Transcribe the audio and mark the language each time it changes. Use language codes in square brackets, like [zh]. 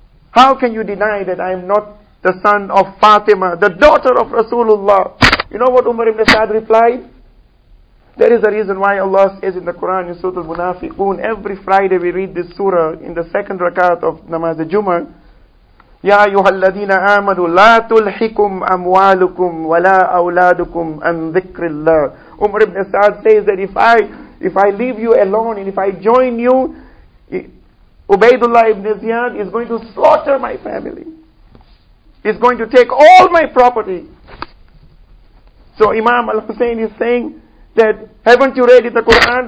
[en] How can you deny that I am not the son of Fatima, the daughter of Rasulullah? You know what Umar ibn Sa'd replied? There is a reason why Allah says in the Quran, in Surah Al-Munafiqun, every Friday we read this surah in the second rakat of Namaz al-Jumu'ah. [ar] يا أيها الذين آمنوا لا تلحكم أموالكم ولا أولادكم عن ذكر الله. [en] Umar ibn Sa'd says that if I leave you alone and if I join you, Ubaydullah ibn Ziyad is going to slaughter my family. He's going to take all my property. So Imam al-Hussein is saying that, haven't you read in the Quran?